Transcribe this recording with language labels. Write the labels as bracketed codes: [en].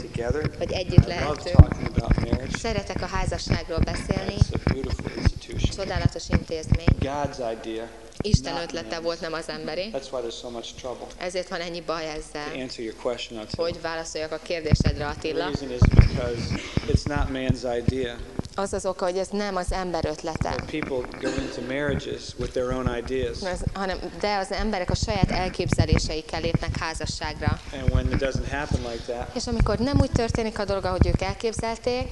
[en] Together. [hu] Hogy együtt lehettünk. [en] I love talking about marriage. [hu] Szeretek a házasságról beszélni. [en] It's a beautiful institution. [hu] Csodálatos intézmény. [en] God's idea. [hu] Isten ötlete volt, nem az emberi. [en] That's why there's so much trouble. [hu] Ezért van ennyi baj ezzel. [en] To answer your question, [hu] hogy válaszoljak a kérdésedre, Attila. [en] The reason is because it's not man's idea. [hu] Az az oka, hogy ez nem az ember ötlete. [en] But people go into marriages with their own ideas. [hu] De az emberek a saját elképzeléseikkel lépnek házasságra. [en] And when it doesn't happen like that. [hu] És amikor nem úgy történik a dolga, hogy ők elképzelték.